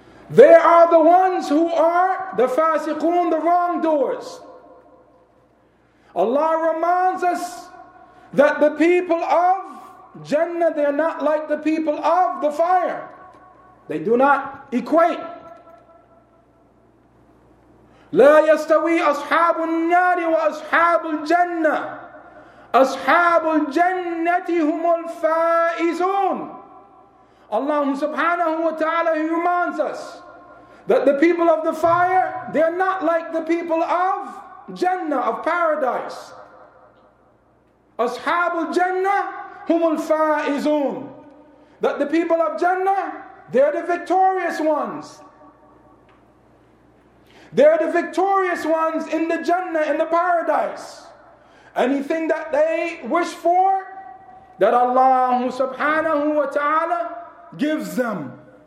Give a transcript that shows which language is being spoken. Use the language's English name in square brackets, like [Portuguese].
[English] They are the ones who are the fasiqun, the wrongdoers. Allah reminds us that the people of Jannah, they are not like the people of the fire. They do not equate. [Arabic] لا يستوي أصحاب النار وأصحاب الجنة أصحاب الجنة هم الفائزون. [English] Allah subhanahu wa ta'ala reminds us that the people of the fire, they are not like the people of Jannah, of paradise. [Arabic] أصحاب الجنة هم الفائزون. [English] That the people of Jannah, they are the victorious ones. They are the victorious ones in the Jannah, in the paradise. Anything that they wish for, that Allah subhanahu wa ta'ala gives them.